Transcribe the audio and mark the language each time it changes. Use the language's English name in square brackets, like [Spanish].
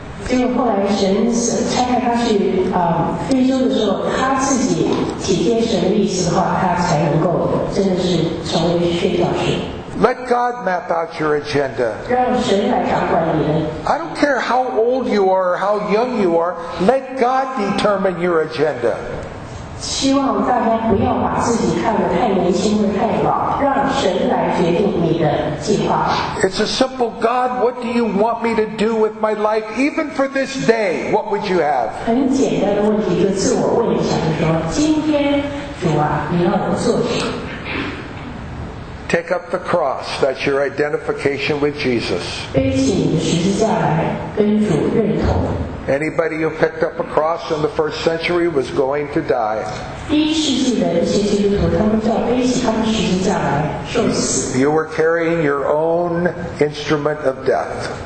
[English] Let God map out your agenda. I don't care how old you are or how young you are, let God determine your agenda. [Chinese] 希望大家不要把自己看得太年轻的太老，让神来决定你的计划。 [English] It's a simple God. What do you want me to do with my life, even for this day? What would you have? [Chinese] 很简单的问题，就自我问一下，说今天主啊，你要我做什么？ [English] Take up the cross. That's your identification with Jesus. [Chinese] 背起你的十字架来跟主认同。 [English] Anybody who picked up a cross in the first century was going to die. [Chinese] 第一世纪的一些基督徒，他们就要背起他们十字架来受死。 [English] You were carrying your own instrument of death.